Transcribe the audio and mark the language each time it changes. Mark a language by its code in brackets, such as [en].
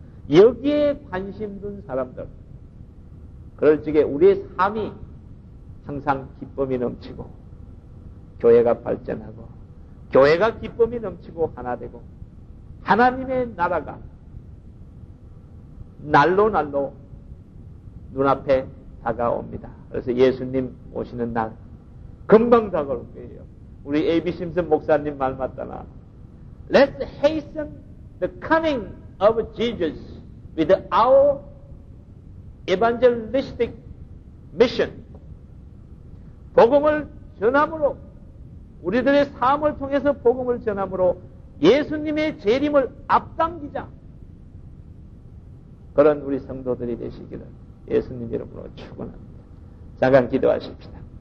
[ko] 여기에 관심 둔 사람들. 그럴 적에 우리의 삶이 항상 기쁨이 넘치고, 교회가 발전하고, 교회가 기쁨이 넘치고 하나되고, 하나님의 나라가 날로 날로 눈앞에 다가옵니다. 그래서 예수님 오시는 날, 금방 다가올 거예요. 우리 A.B. 심슨 목사님 말 맞다나. [en] Let's hasten the coming of Jesus with our evangelistic mission. [ko] 복음을 전함으로, 우리들의 삶을 통해서 복음을 전함으로 예수님의 재림을 앞당기자. 그런 우리 성도들이 되시기를 예수님 이름으로 축원합니다. 잠깐 기도하십시다.